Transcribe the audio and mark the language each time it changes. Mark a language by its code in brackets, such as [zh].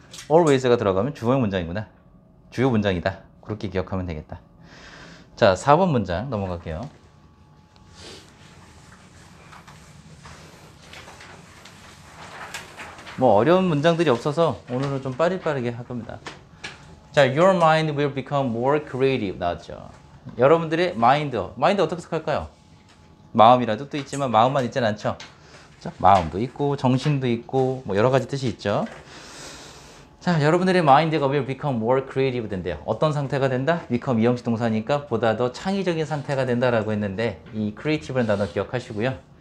[ko] always가 들어가면 주요 문장이구나. 주요 문장이다. 그렇게 기억하면 되겠다. 자, 4번 문장 넘어갈게요. 뭐 어려운 문장들이 없어서 오늘은 좀 빠르게 할 겁니다. [en] 자, your mind will become more creative [ko] 나왔죠. 여러분들의 마인드, 마인드 어떻게 생각할까요? 마음이라도 또 있지만 마음만 있지는 않죠. 자, 마음도 있고 정신도 있고 뭐 여러 가지 뜻이 있죠. 자, 여러분들의 마인드가 [en] will become more creative [ko] 된대요. 어떤 상태가 된다? become 이형식 동사니까 보다 더 창의적인 상태가 된다라고 했는데 이 creative라는 단어 기억하시고요.